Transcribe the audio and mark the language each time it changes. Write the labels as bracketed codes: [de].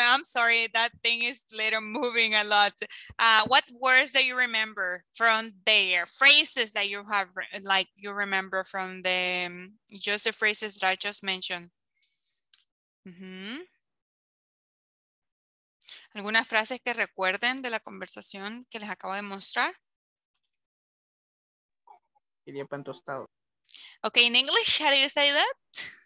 [en] I'm sorry, that thing is little moving a lot. What words do you remember from there? Phrases that you have, like you remember from the, just the phrases that I just mentioned. Mm-hmm. [es] ¿Algunas frases que recuerden de la conversación que les acabo de mostrar? Quería pan tostado. [en] Okay, in English, how do you say that?